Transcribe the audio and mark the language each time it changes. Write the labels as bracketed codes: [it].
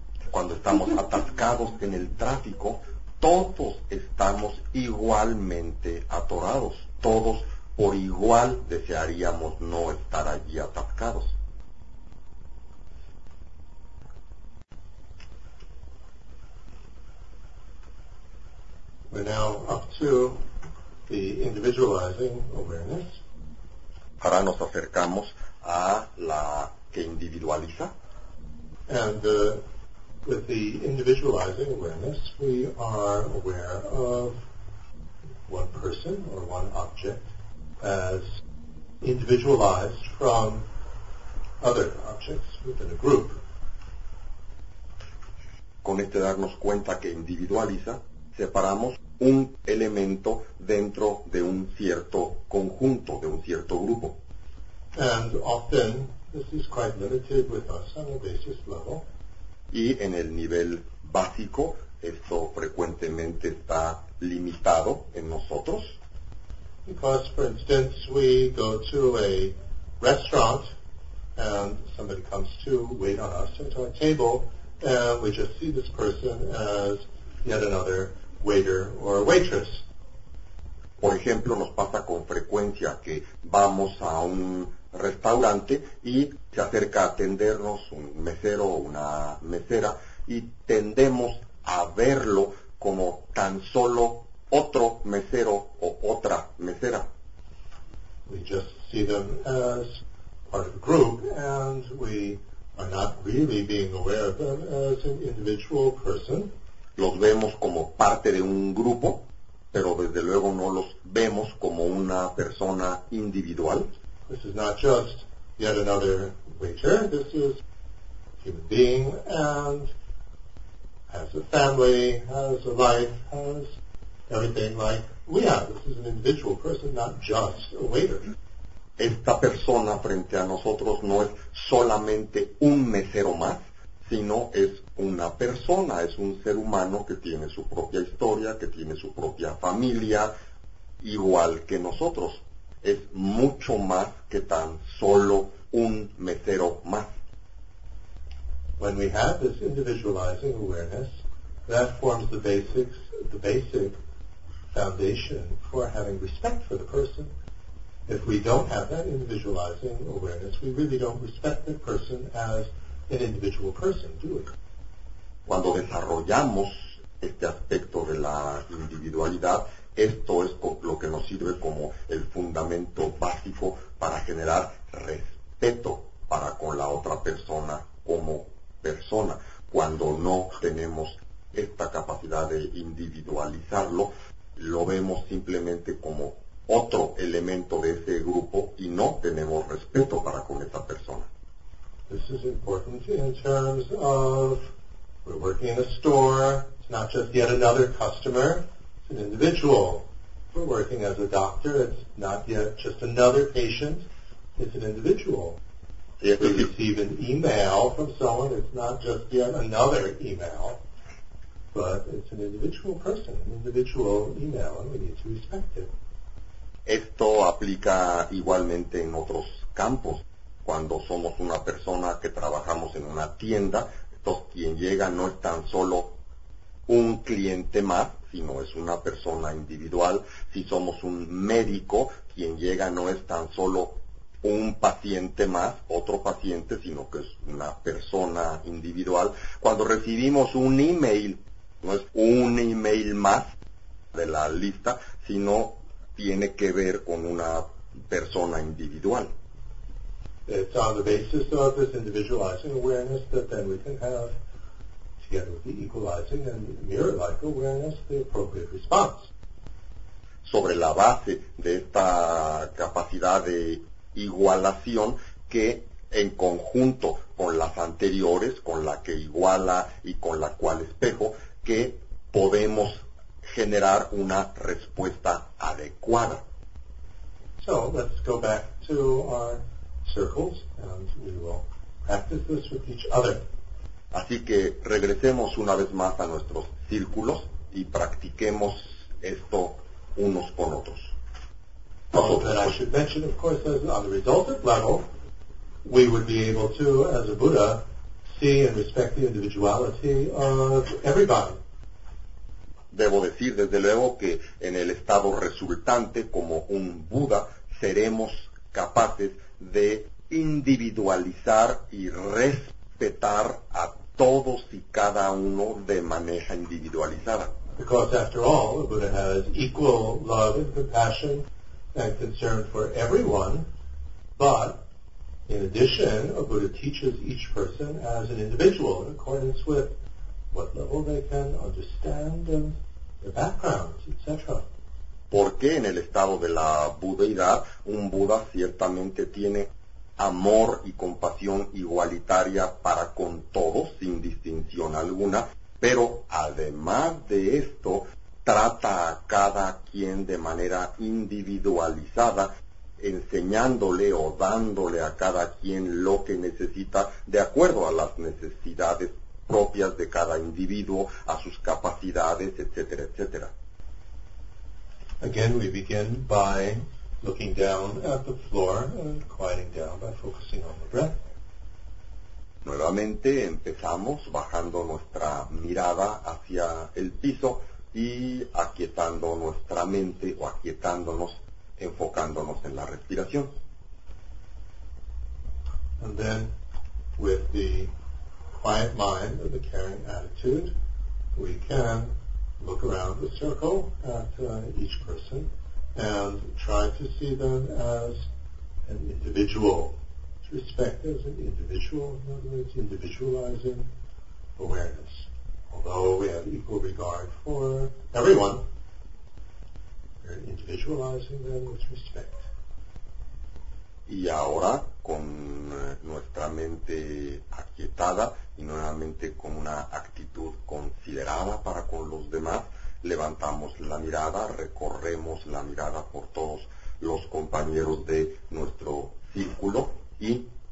[es] Cuando estamos atascados en el tráfico, todos estamos igualmente atorados. Todos por igual desearíamos no estar allí atascados. [en] We're now up to the individualizing awareness. [es] Ahora nos acercamos a la que individualiza. [en] And with the individualizing awareness, we are aware of one person or one object as individualized from other objects within a group. [es] Con este darnos cuenta que individualiza, separamos un elemento dentro de un cierto conjunto, de un cierto grupo. [en] And often this is quite limited with us on a basis level. [es] Y en el nivel básico, esto frecuentemente está limitado en nosotros. [en] Because, for instance, we go to a restaurant and somebody comes to wait on us at our table, and we just see this person as yet another waiter or waitress. [es] Por ejemplo, nos pasa con frecuencia que vamos a un restaurante y se acerca a atendernos un mesero o una mesera y tendemos a verlo como tan solo otro mesero o otra mesera. [en] We just see them as part of a group, and we are not really being aware of them as an individual person. [es] Los vemos como parte de un grupo, pero desde luego no los vemos como una persona individual. [en] This is not just yet another waiter. This is a human being and has a family, has a life, has everything like we have. This is an individual person, not just a waiter. [es] Esta persona frente a nosotros no es solamente un mesero más, sino es una persona, es un ser humano que tiene su propia historia, que tiene su propia familia, igual que nosotros. Es mucho más que tan solo un mesero más. [en] When we have this individualizing awareness, that forms the basic foundation for having respect for the person. If we don't have that individualizing awareness, we really don't respect the person as an individual person, do we? [es] Cuando desarrollamos este aspecto de la individualidad, esto es lo que nos sirve como el fundamento básico para generar respeto para con la otra persona como persona. Cuando no tenemos esta capacidad de individualizarlo, lo vemos simplemente como otro elemento de ese grupo y no tenemos respeto para con esa persona. [en] This is important in terms of we're working in a store, it's not just yet another customer, it's an individual. We're working as a doctor, it's not yet just another patient, it's an individual. If we receive an email from someone, it's not just yet another email, but it's an individual person, an individual email, and we need to respect it. [es] Esto aplica igualmente en otros campos. Cuando somos una persona que trabajamos en una tienda, entonces quien llega no es tan solo un cliente más, sino es una persona individual. Si somos un médico, quien llega no es tan solo un paciente más, otro paciente, sino que es una persona individual. Cuando recibimos un email, no es un email más de la lista, sino tiene que ver con una persona individual. [en] It's on the basis of this individualizing awareness that then we can have, together with the equalizing and mirror-like awareness, the appropriate response. [es] Sobre la base de esta capacidad de igualación que en conjunto con las anteriores, con la que iguala y con la cual espejo, que podemos generar una respuesta adecuada. [en] So, let's go back to our circles and we will practice this with each other. [es] Así que regresemos una vez más a nuestros círculos y practiquemos esto unos con otros. [en] I should mention, of course, as on the resultant level, we would be able to, as a Buddha, see and respect the individuality of everybody. [es] Debo decir, desde luego, que en el estado resultante, como un Buda, seremos capaces de individualizar y respetar a todos y cada uno de manera individualizada. [en] Because, after all, the Buddha has equal love and compassion and concern for everyone, but, in addition, a Buddha teaches each person as an individual in accordance with what level they can understand and their backgrounds, etc. [es] Porque en el estado de la budeidad, un Buda ciertamente tiene amor y compasión igualitaria para con todos, sin distinción alguna, pero además de esto, trata a cada quien de manera individualizada, enseñándole o dándole a cada quien lo que necesita de acuerdo a las necesidades propias de cada individuo, a sus capacidades, etcétera, etcétera. [en] Again, we begin by looking down at the floor and quieting down by focusing on the breath. [es] Nuevamente empezamos bajando nuestra mirada hacia el piso y aquietando nuestra mente o aquietándonos, enfocándonos en la respiración. [en] And then, with the quiet mind and the caring attitude, we can look around the circle at each person and try to see them as and individual, perspectives and individual, in other words, individualizing awareness. Although we have equal regard for everyone, we're individualizing them with respect. [es] Y ahora, con nuestra mente aquietada y nuevamente con una actitud considerada para con los demás, levantamos la mirada, recorremos la mirada por todos los compañeros de nuestro círculo y